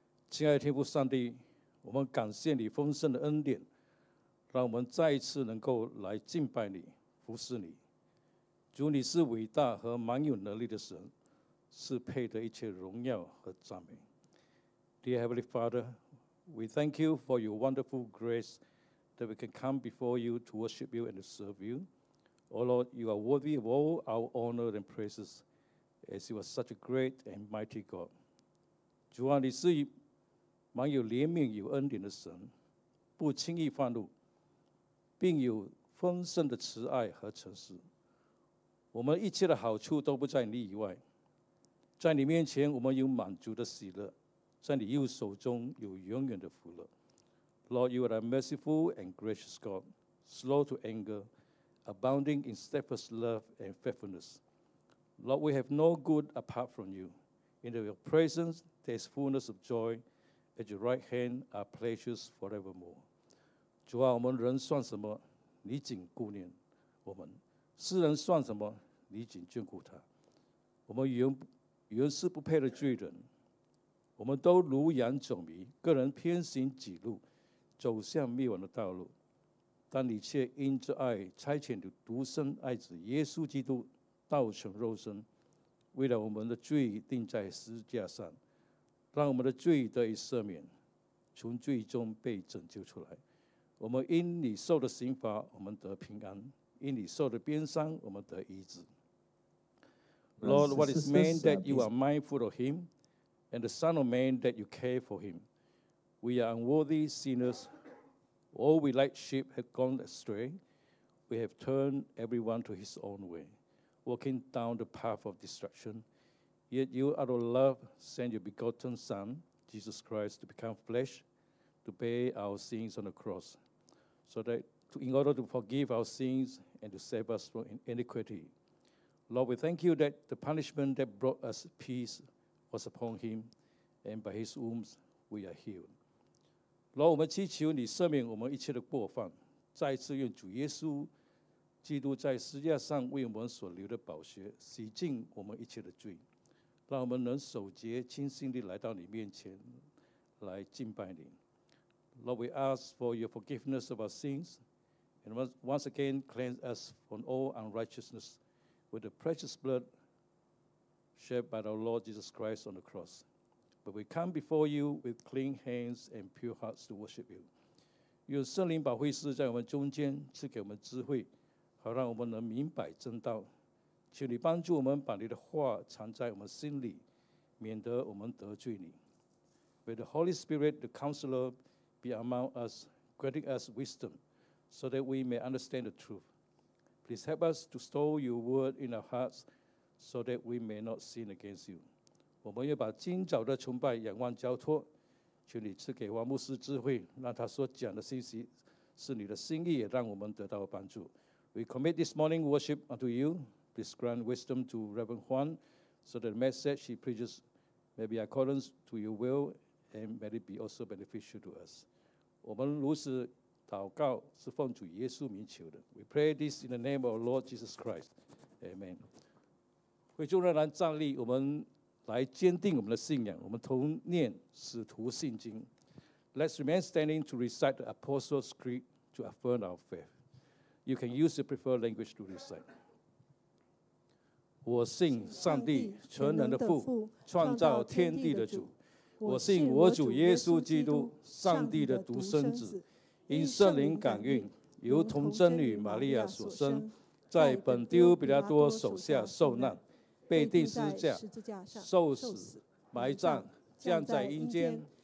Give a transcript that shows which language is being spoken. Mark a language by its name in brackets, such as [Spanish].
[Chinese] 亲爱的天父上帝，我们感谢你丰盛的恩典，让我们再一次能够来敬拜你、服侍你。主，你是伟大和蛮有能力的神，是配得一切荣耀和赞美。 [English] Dear Heavenly Father, we thank you for your wonderful grace that we can come before you to worship you and to serve you. Oh Lord, you are worthy of all our honor and praises, as you are such a great and mighty God. [Chinese] 主啊，你是蛮有怜悯有恩典的神，不轻易发怒，并有丰盛的慈爱和诚实。我们一切的好处都不在你以外，在你面前我们有满足的喜乐，在你右手中有永远的福乐。 [English] Lord, you are a merciful and gracious God, slow to anger, abounding in steadfast love and faithfulness. Lord, we have no good apart from you. In your presence there is fullness of joyAt your right hand are pleasures forevermore. [Chinese] 主啊，我们人算什么？你仅顾念我们。世人算什么？你仅眷顾他。我们原是不配的罪人，我们都如羊走迷，个人偏行己路，走向灭亡的道路。但你却因着爱，差遣你独生爱子耶稣基督，道成肉身，为了我们的罪钉在十字架上。让我们的罪得以赦免，从罪中被拯救出来。我们因你受的刑罚，我们得平安；因你受的鞭伤，我们得医治。 [English] Lord, what is man that you are mindful of him, and the Son of Man that you care for him? We are unworthy sinners. All we like sheep have gone astray. We have turned everyone to his own way, walking down the path of destruction. Yet you, out of love, sent your begotten Son, Jesus Christ, to become flesh, to bear our sins on the cross, so that in order to forgive our sins and to save us from iniquity. Lord, we thank you that the punishment that brought us peace was upon him, and by his wounds we are healed. [Chinese] Lord, 我们祈求你赦免我们一切的过犯，再次愿主耶稣基督在十字架上为我们所流的宝血洗净我们一切的罪。让我们能守节清心地来到你面前来敬拜你。 [English] Lord, we ask for your forgiveness of our sins and once again cleanse us from all unrighteousness with the precious blood shed by our Lord Jesus Christ on the cross. But we come before you with clean hands and pure hearts to worship you. [Chinese] 愿圣灵把会师在我们中间赐给我们智慧，好让我们能明白真道。求你帮助我们把你的话藏在我们心里，免得我们得罪你。 [English] May the Holy Spirit, the Counselor, be among us, granting us wisdom, so that we may understand the truth. Please help us to store your word in our hearts, so that we may not sin against you. [Chinese] 我们要把今早的崇拜仰望交托，求你赐给王牧师智慧，让他所讲的信息是你的心意，也让我们得到帮助。 [English] We commit this morning worship unto you. Please grant wisdom to Reverend Juan so that the message he preaches may be according to your will and may it be also beneficial to us. [Chinese] 我们如此祷告是奉主耶稣名求的。 [English] We pray this in the name of Lord Jesus Christ. Amen. [Chinese] 会众仍然站立，我们来坚定我们的信仰，我们同念使徒信经。 [English] Let's remain standing to recite the Apostles' Creed to affirm our faith. You can use your preferred language to recite. [Chinese] 我信上帝全能的父，创造天地的主。我信我主耶稣基督，上帝的独生子，因圣灵感孕，由童贞女玛利亚所生，在本丢比拉多手下受难，被钉十字架，受死埋葬，降在阴间，